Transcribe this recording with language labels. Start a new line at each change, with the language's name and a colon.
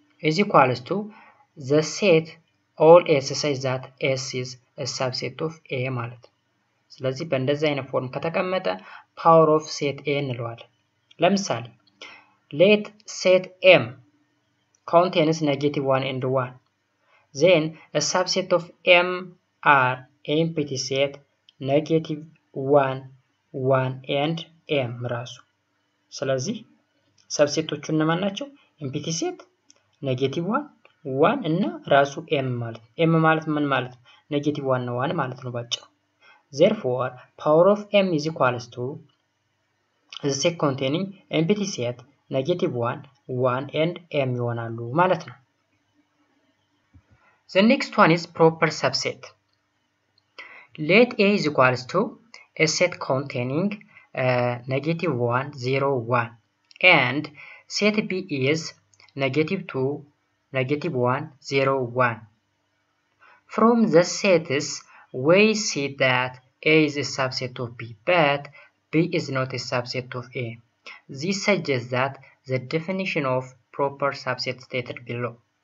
English: is equals to the set all s such that s is a subset of a
Amharic: ማለት ነው። ስለዚህ በእንደዚህ አይነት ፎርም ከተቀመጠ
English: power of set a
Amharic: እንለዋለን። ለምሳሌ
English: let set m contains negative 1 and 1 then a subset of m are empty set negative 1 1 and m
Amharic: ራሱ። ስለዚህ ሰብሴቶቹ እነማን ናቸው?
English: empty set negative 1 1
Amharic: እና ራሱ m ማለት ነው። m ማለት ምን ማለት ነው?
English: negative 1 1
Amharic: ማለት ነው ባጭሩ።
English: therefore power of m is equals to the set containing empty set negative 1 1 and m
Amharic: ይሆናሉ ማለት ነው።
English: the next one is proper subset let a is equals to a set containing negative 1 0 1 and set b is negative 2 negative 1 0 1 from the sets we see that a is a subset of b but b is not a subset of a this suggests that the definition of proper subset stated below